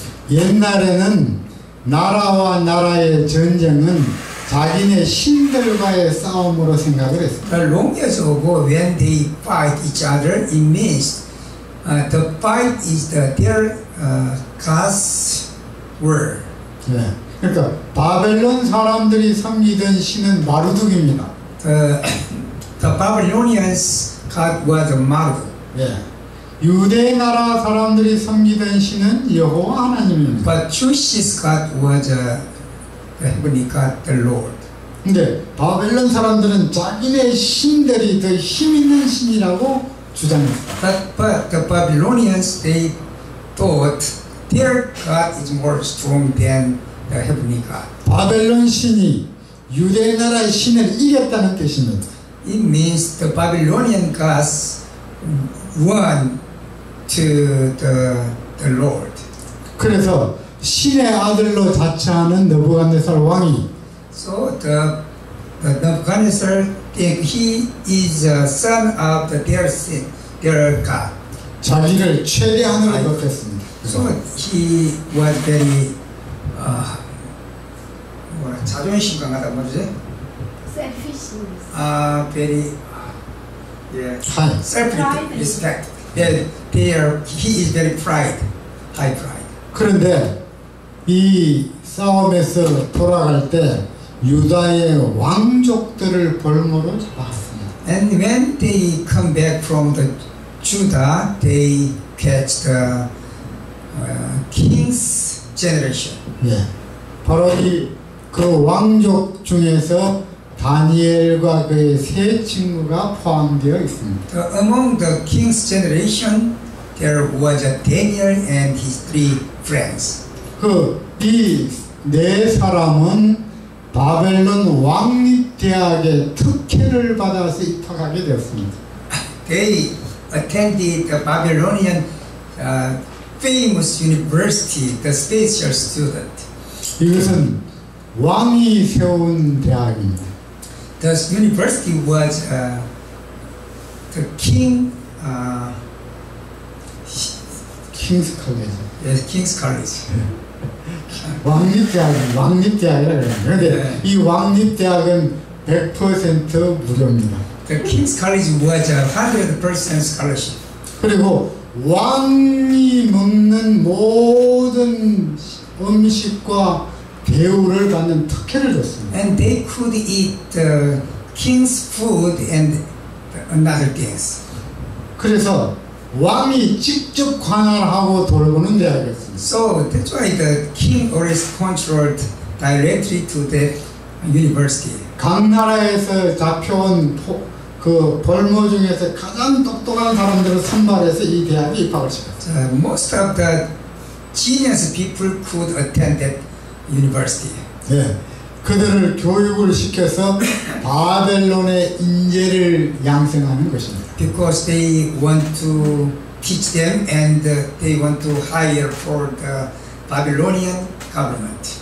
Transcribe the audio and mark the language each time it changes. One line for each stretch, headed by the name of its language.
Korean: 옛날에는 나라와 나라의 전쟁은 자기네 신들과의 싸움으로 생각을 했습니다.
English: The long years ago, when they fight each other, it means the fight is the their God's war.
Korean: 네. 그러니까 바벨론 사람들이 섬기던 신은 마르둑입니다.
English: The Babylonians God was Marduk.
Korean: 예. 유대 나라 사람들이 섬기던 신은 여호와 하나님입니다.
English: But Jewish God was the heavenly God, the Lord.
Korean: 근데 바벨론 사람들은 자기네 신들이 더 힘 있는 신이라고 주장했습니다.
English: But the Babylonians they thought their God is more strong than the heavenly God.
Korean: 바벨론 신이 유대 나라의 신을 이겼다는 뜻입니다.
English: It means the Babylonian gods won to the Lord.
Korean: 그래서 신의 아들로 자처하는 느부갓네살 왕이
English: So the Nebuchadnezzar think he is a son of their sin, their God.
Korean: 자기를 최대한으로 높였습니다.
English: So he was very
Korean: 자존심 강하다 뭐지?
English: Selfishness. Very. Yeah. Self respect. Yeah. He is very pride. High pride.
Korean: 그런데 이 싸움에서 돌아갈 때 유다의 왕족들을 볼모로 잡았습니다.
English: And when they come back from the Judah, they catch the king's generation.
Korean: 예.
English: Yeah.
Korean: 바로 이 그 왕족 중에서 다니엘과 그의 세 친구가 포함되어 있습니다.
English: Among the king's generation, there was Daniel and his three friends.
Korean: 그 이 네 사람은 바벨론 왕립 대학의 특혜를 받아서 입학하게 되었습니다.
English: They attended the Babylonian famous university, the special student.
Korean: 이것은 왕이 세운 대학입니다.
English: The university was the king King's College. Yes, King's College.
Korean: 왕립대학이라고 그러는데 이 왕립대학은 100% 무료입니다.
English: The King's College was a 100% scholarship.
Korean: 그리고 왕이 먹는 모든 음식과 대우를 받는 특혜를 줬습니다.
English: And they could eat the king's food and another things.
Korean: 그래서 왕이 직접 관할하고 돌보는 대학이었습니다.
English: So that's why the king always controlled directly to the university.
Korean: 각 나라에서 잡혀온 그 벌모 중에서 가장 똑똑한 사람들을 선발해서 이 대학에 입학을 시켰습니다.
English: Most of the genius people could attend that university.
Korean: 예, 그들을 교육을 시켜서 바벨론의 인재를 양성하는 것입니다.
English: Because they want to teach them and they want to hire for the Babylonian government.